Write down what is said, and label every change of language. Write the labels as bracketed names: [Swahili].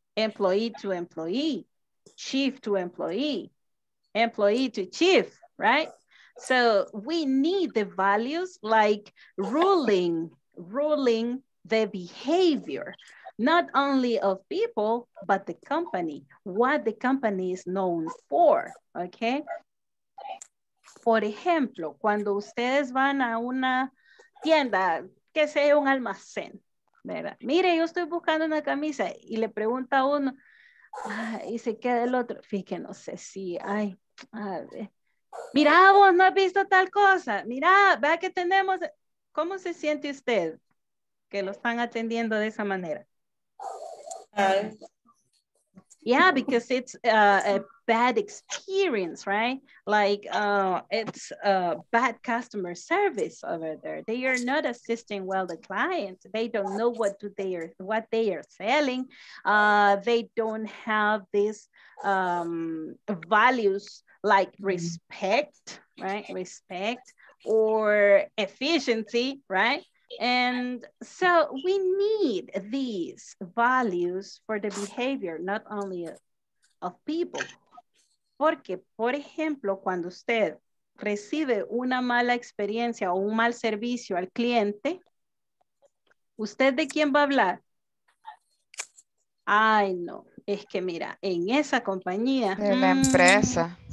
[English] Employee to employee, chief to employee, employee to chief, right? So we need the values like ruling the behavior, not only of people, but the company, what the company is known for, okay? [Spanish] Por ejemplo, cuando ustedes van a una tienda, que sea un almacén, ¿verdad? Mire, yo estoy buscando una camisa y le pregunta a uno, y se queda el otro, fíjate, no sé si hay, a ver. Mira, vos no has visto tal cosa, mira, vea que tenemos, ¿cómo se siente usted que lo están atendiendo de esa manera? [English] Yeah, because it's a bad experience, right? Like, it's a bad customer service over there. They are not assisting well the clients. They don't know what they are selling. They don't have these values like respect, right? Respect or efficiency, right? And so we need these values for the behavior, not only of people. [Spanish] Porque, por ejemplo, cuando usted recibe una mala experiencia o un mal servicio al cliente, ¿usted de quién va a hablar? Ay, no, es que mira, en esa compañía. De la empresa.